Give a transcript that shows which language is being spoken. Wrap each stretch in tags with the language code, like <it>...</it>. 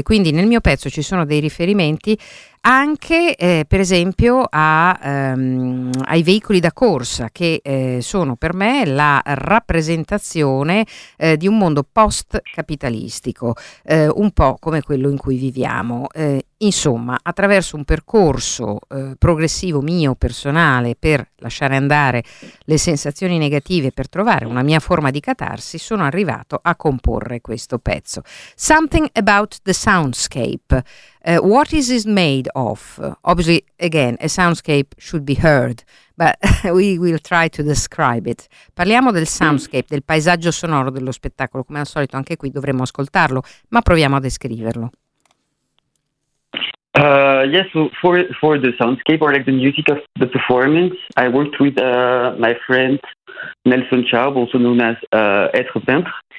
<it>E quindi nel mio pezzo ci sono dei riferimenti anche per esempio ai veicoli da corsa, che sono per me la rappresentazione di un mondo post-capitalistico, un po' come quello in cui viviamo. Insomma, attraverso un percorso progressivo mio, personale, per lasciare andare le sensazioni negative, per trovare una mia forma di catarsi, sono arrivato a comporre questo pezzo.</it> <en>Something about the soundscape. What is it made of? Obviously, again, a soundscape should be heard, but we will try to describe it.</en> <it>Parliamo del soundscape, del paesaggio sonoro dello spettacolo. Come al solito, anche qui dovremmo ascoltarlo, ma proviamo a descriverlo.</it> <en>Yes, so for the soundscape or like the music of the performance, I worked with my friend Nelson Chaub, also known as Être Peintre.</en>